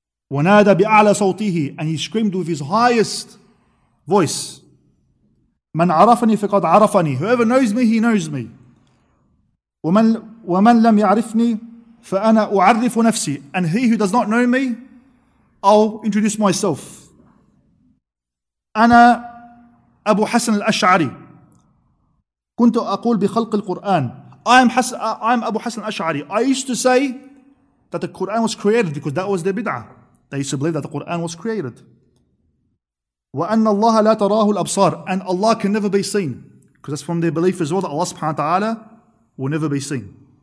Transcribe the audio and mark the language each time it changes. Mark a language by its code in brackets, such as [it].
[ar] ونادى بأعلى صوته, [en] and he screamed with his highest voice, [ar] من عرفني فقد عرفني, [en] whoever knows me, he knows me, [ar] ومن لم يعرفني فأنا أعرف نفسي, [en] and he who does not know me, I'll introduce myself. [ar] أنا أبو حسن الأشعري, كنت أقول بخلق القرآن. [en] I'm Abu Hassan al-Ash'ari. I used to say that the Quran was created because that was their bid'ah. They used to believe that the Quran was created. [ar] وَأَنَّ اللَّهَ لَا تَرَاهُ الْأَبْصَارِ, [en] and Allah can never be seen. Because that's from their belief as well, that Allah subhanahu wa ta'ala will never be seen.